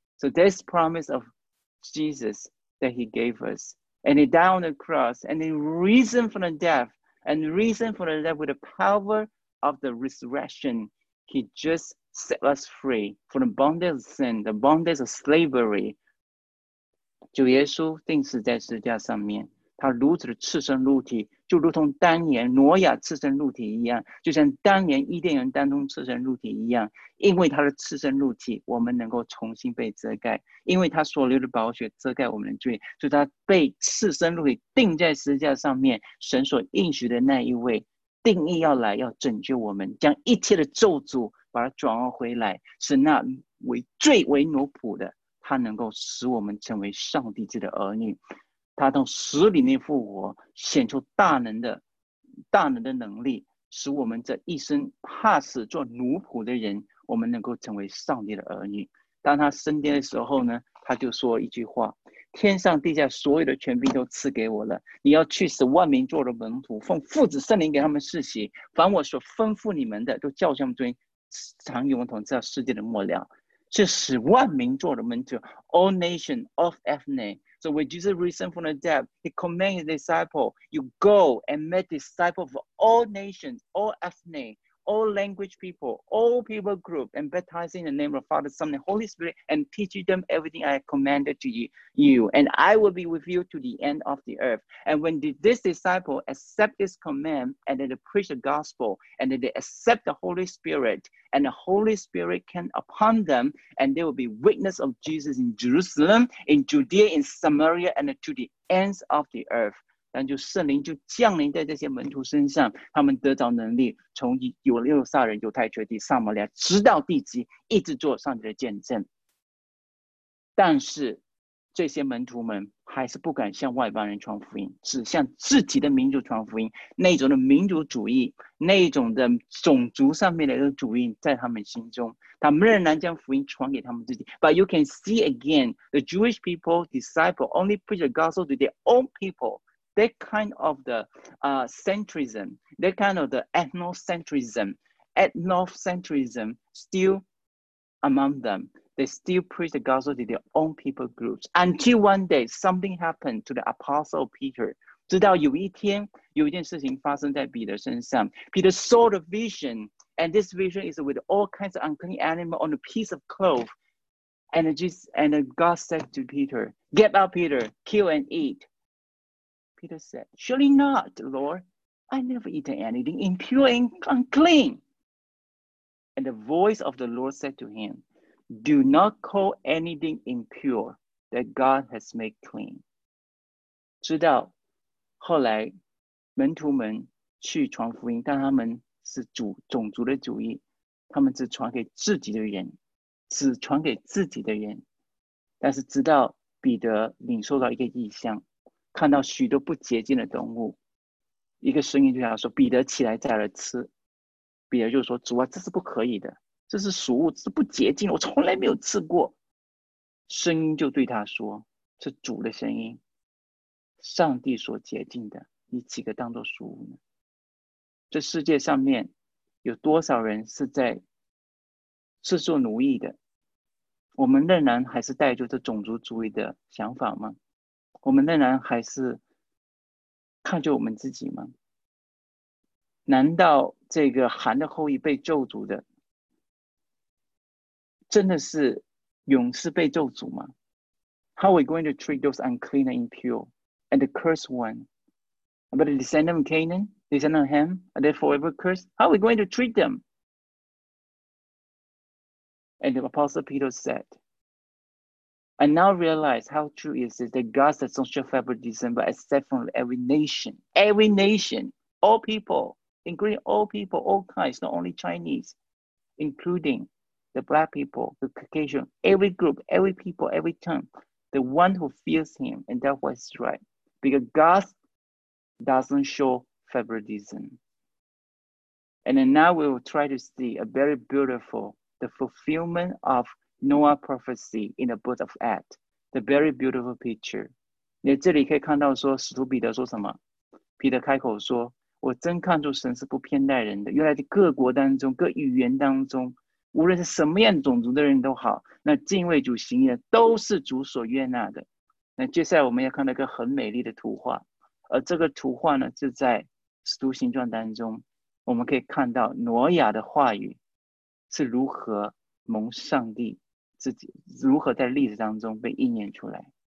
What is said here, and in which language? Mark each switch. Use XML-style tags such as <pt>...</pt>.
<en>So this promise of Jesus that he gave us, and he died on the cross, and he risen from the death, and risen from the death with the power of the resurrection, he just set us free from the bondage of sin, the bondage of slavery.</en> <zh>主耶稣钉死在十字架上面，他如此的赤身露体，就如同当年挪亚赤身露体一样，就像当年伊甸园当中赤身露体一样。因为他的赤身露体，我们能够重新被遮盖，因为他所流的宝血遮盖我们的罪，就他被赤身露体钉在十字架上面，神所应许的那一位定义要来，要拯救我们，将一切的咒诅把它转化回来，使那为罪为奴仆的他能够使我们成为上帝之的儿女。他从死里面复活，显出大能的能力，使我们这一生怕死做奴仆的人，我们能够成为上帝的儿女。当他升天的时候呢，他就说一句话，天上地下所有的权柄都赐给我了，你要去使万民做的门徒，奉父子圣灵给他们施洗，凡我所吩咐你们的，都叫他们遵常与我同在世界的末了，是使万民做的门徒。</zh> <en>All nation of ethnic。 So when Jesus risen from the dead, he commanded his disciples, you go and make disciples of all nations, all ethnic, all language people, all people group, and baptize in the name of Father, Son, and Holy Spirit, and teach them everything I commanded to you. And I will be with you to the end of the earth. And when this disciple accept this command, and then they preach the gospel, and then they accept the Holy Spirit, and the Holy Spirit came upon them, and they will be witness of Jesus in Jerusalem, in Judea, in Samaria, and to the ends of the earth.</en> <zh>但就圣灵就降临在这些门徒身上，他们得着能力，从犹大人、犹太全地、撒玛利亚，直到地极，一直做上帝的见证。但是这些门徒们还是不敢向外邦人传福音，只向自己的民族传福音。那种的民族主义，那种的种族上面的一个主义，在他们心中，他们仍然将福音传给他们自己。</zh> <en>But you can see again, the Jewish people disciple only preach the gospel to their own people. That kind of the centrism, that kind of the ethnocentrism still among them. They still preach the gospel to their own people groups. Until one day, something happened to the apostle Peter.</en> <zh>直到有一天，有一件事情发生在彼得身上。</zh> <en>Peter saw the vision, and this vision is with all kinds of unclean animals on a piece of cloth. And God said to Peter, get up, Peter, kill and eat. Peter said, surely not, Lord. I never eaten anything impure and unclean. And the voice of the Lord said to him, do not call anything impure that God has made clean.</en> <zh>直到后来门徒们去传福音，但他们是种族的主义，他们只传给自己的人，只传给自己的人。但是直到彼得领受到一个异象，看到许多不洁净的动物，一个声音就想说，彼得起来宰了吃。彼得就说，主啊，这是不可以的，这是俗物，这是不洁净，我从来没有吃过。声音就对他说，是主的声音，上帝所洁净的，你岂可当作俗物呢？这世界上面有多少人是在是做奴役的，我们仍然还是带着这种族主义的想法吗？我们仍然还是看着我们自己吗？难道这个韩的后裔被咒诅的真的是勇士被咒诅吗？</zh> <en>How are we going to treat those unclean and impure and the cursed one? But the descendant of Canaan, descendant of Ham, are they forever cursed? How are we going to treat them? And the Apostle Peter said, I now realize how true it is that God does not show favoritism but accept from every nation, all people, including all people, all kinds, not only Chinese, including the black people, the Caucasian, every group, every people, every tongue, the one who fears him, and that was right. Because God doesn't show favoritism. And then now we will try to see a very beautiful, the fulfillment of Noah prophecy in the book of Acts, the very beautiful picture.</en> <zh>你这里可以看到说使徒彼得说什么？彼得开口说，我真看出神是不偏待人的，原来在各国当中，各语言当中，无论是什么样种族的人都好，那敬畏主行的都是主所悦纳的。那接下来我们要看到一个很美丽的图画，而这个图画呢，就在使徒行传当中，我们可以看到挪亚的话语是如何蒙上帝自己如何在历史当中被应验出来。</zh>